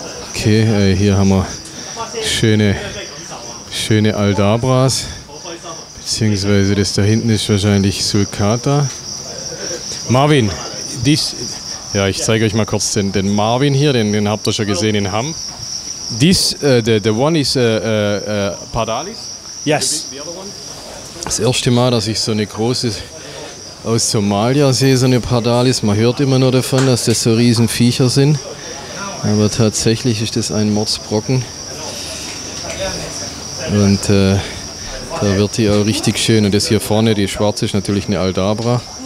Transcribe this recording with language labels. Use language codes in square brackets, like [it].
[de] Okay, hier haben wir schöne Aldabras. Beziehungsweise das da hinten ist wahrscheinlich Sulcata. Marvin, ich zeige euch mal kurz den Marvin hier, den habt ihr schon gesehen in Hamm. [en] This, the one is Pardalis? Yes. [de] Das erste Mal, dass ich so eine große aus Somalia sehe, so eine Pardalis. Man hört immer nur davon, dass das so riesen Viecher sind. Aber tatsächlich ist das ein Mordsbrocken. Und da wird die auch richtig schön. Und das hier vorne, die schwarze, ist natürlich eine Aldabra.